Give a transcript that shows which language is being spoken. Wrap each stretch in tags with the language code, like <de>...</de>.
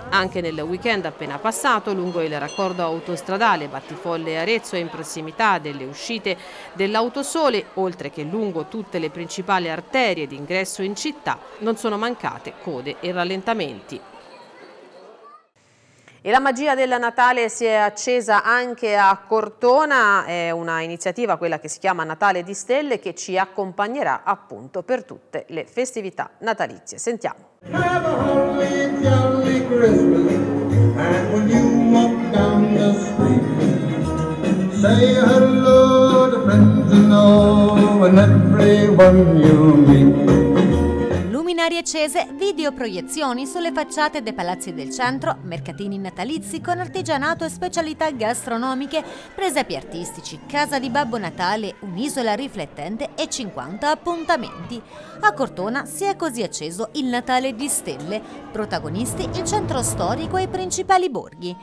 <it>Anche nel weekend appena passato, lungo il raccordo autostradale Battifolle Arezzo e in prossimità delle uscite dell'Autosole, oltre che lungo tutte le principali arterie d'ingresso in città, non sono mancate code e rallentamenti. E la magia del Natale si è accesa anche a Cortona, è una iniziativa, quella che si chiama Natale di Stelle, che ci accompagnerà appunto per tutte le festività natalizie. Sentiamo.</it> <en>Have a holy, jolly Christmas, and when you walk down the street, say hello to friends and all, and everyone you meet.</en> <it>Luminarie accese, videoproiezioni sulle facciate dei palazzi del centro, mercatini natalizi con artigianato e specialità gastronomiche, presepi artistici, casa di Babbo Natale, un'isola riflettente e 50 appuntamenti. A Cortona si è così acceso il Natale di Stelle, protagonisti il centro storico e i principali borghi.</it>